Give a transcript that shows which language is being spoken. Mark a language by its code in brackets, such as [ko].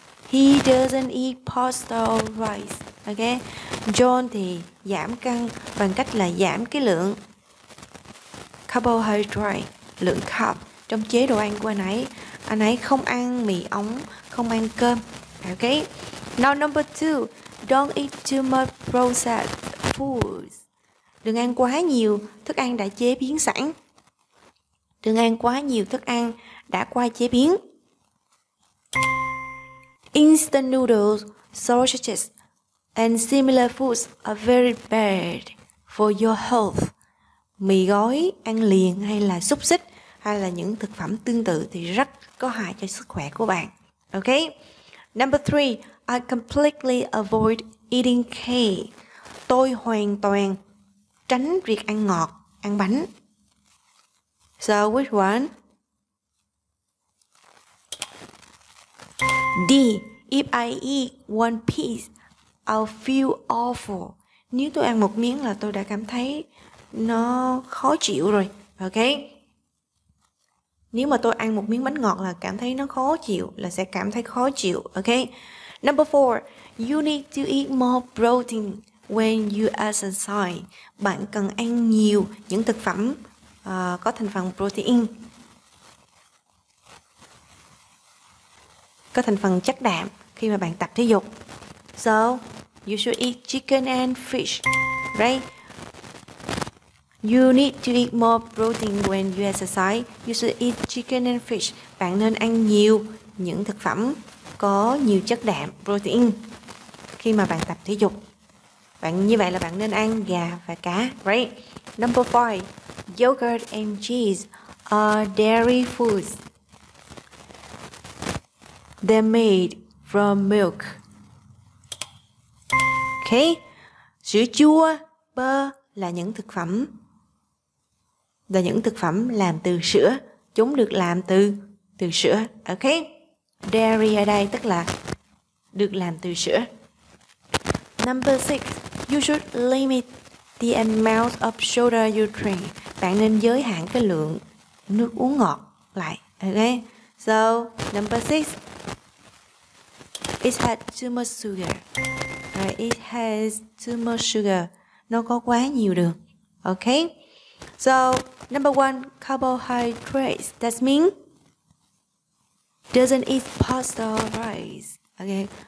[en] He doesn't eat pasta or rice. [vi] Okay, John thì giảm cân bằng cách là giảm cái lượng carbohydrate, lượng carb trong chế độ ăn của anh ấy không ăn mì ống, không ăn cơm. [en] Okay. Now number two, don't eat too much processed foods. [vi] Đừng ăn quá nhiều thức ăn đã chế biến sẵn. Đừng ăn quá nhiều thức ăn đã qua chế biến. [en] Instant noodles, sausages, and similar foods are very bad for your health. [vi] Mì gói ăn liền hay là xúc xích hay là những thực phẩm tương tự thì rất có hại cho sức khỏe của bạn. Okay. [en] Number three, I completely avoid eating cake. [vi] Tôi hoàn toàn tránh việc ăn ngọt, ăn bánh. [en] So which one? D. If I eat one piece, I'll feel awful. [vi] Nếu tôi ăn một miếng là tôi đã cảm thấy nó khó chịu rồi. Okay. Nếu mà tôi ăn một miếng bánh ngọt là cảm thấy nó khó chịu, là sẽ cảm thấy khó chịu. [en] Okay. Number four, you need to eat more protein when you exercise. [vi] Bạn cần ăn nhiều những thực phẩm có thành phần protein, có thành phần chất đạm khi mà bạn tập thể dục. [en] So, you should eat chicken and fish, right? You need to eat more protein when you exercise. You should eat chicken and fish. [vi] Bạn nên ăn nhiều những thực phẩm có nhiều chất đạm, protein, khi mà bạn tập thể dục. Bạn như vậy là bạn nên ăn gà và cá, right? [en] Number five, yogurt and cheese are dairy foods. They're made from milk. [vi] Okay, sữa chua, bơ là những thực phẩm, là những thực phẩm làm từ sữa. Chúng được làm từ từ sữa. Okay, dairy ở đây tức là được làm từ sữa. [en] Number six, you should limit the amount of soda you drink. [vi] Bạn nên giới hạn cái lượng nước uống ngọt lại. [en] Okay, so number six, it has too much sugar. It has too much sugar. [vi] Nó có quá nhiều đường. [en] Okay. So number one, carbohydrates. That means doesn't eat pasta or rice. Okay.